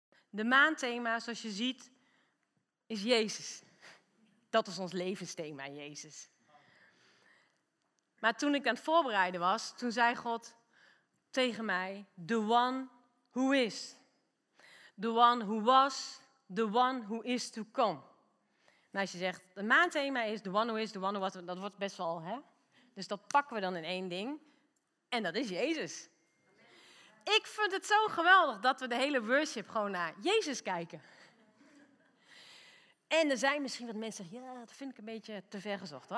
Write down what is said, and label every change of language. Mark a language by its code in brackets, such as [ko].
[nl] De maandthema, zoals je ziet, is Jezus. Dat is ons levensthema, Jezus. Maar toen ik aan het voorbereiden was, toen zei God tegen mij, [en] the one who is. The one who was, the one who is to come. [nl] Nou, als je zegt, het maandthema is [en] the one who is, the one who was, [nl] dat wordt best wel, hè? Dus dat pakken we dan in één ding. En dat is Jezus. Ik vind het zo geweldig dat we de hele worship gewoon naar Jezus kijken. En er zijn misschien wat mensen die zeggen, ja, dat vind ik een beetje te ver gezocht. Hoor.